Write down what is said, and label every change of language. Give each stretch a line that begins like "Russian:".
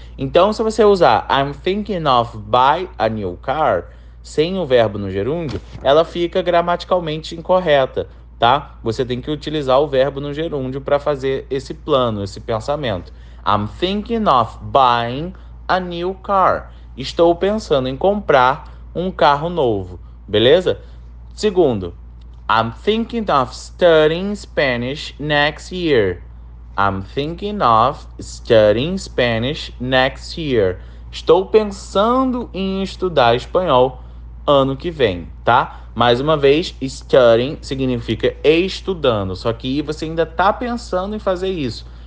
Portuguese: Então, se você usar
English: I'm thinking of buy a new car
Portuguese: sem o verbo no gerúndio, ela fica gramaticalmente incorreta, tá? Você tem que utilizar o verbo no gerúndio para fazer esse plano, esse pensamento.
English: I'm thinking of buying a new car.
Portuguese: Estou pensando em comprar um carro novo, beleza? Segundo,
English: I'm thinking of studying Spanish next year. I'm thinking of studying Spanish next year.
Portuguese: Estou pensando em estudar espanhol ano que vem, tá? Mais uma vez,
English: studying
Portuguese: significa estudando, só que você ainda está pensando em fazer isso.